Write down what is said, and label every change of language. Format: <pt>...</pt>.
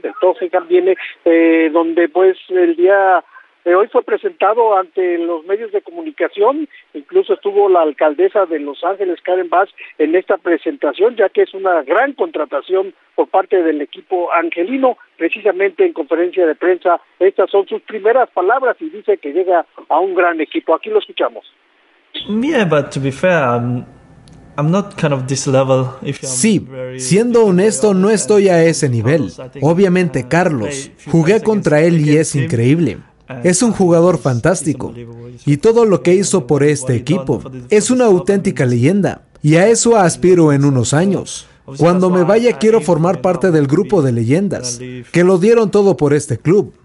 <es>De Tottenham viene, donde pues el día de hoy fue presentado ante los medios de comunicación. Incluso estuvo la alcaldesa de Los Ángeles, Karen Bass, en esta presentación, ya que es una gran contratación por parte del equipo angelino. Precisamente en conferencia de prensa, estas son sus primeras palabras y dice que llega a un gran equipo. Aquí lo escuchamos.</es> <en>Yeah, but to be fair, I'm not kind of this level.</en> <es>Sí, siendo honesto, no estoy a ese nivel. Obviamente, Carlos, jugué contra él y es increíble. Es un jugador fantástico. Y todo lo que hizo por este equipo es una auténtica leyenda. Y a eso aspiro en unos años. Cuando me vaya, quiero formar parte del grupo de leyendas, que lo dieron todo por este club.</es>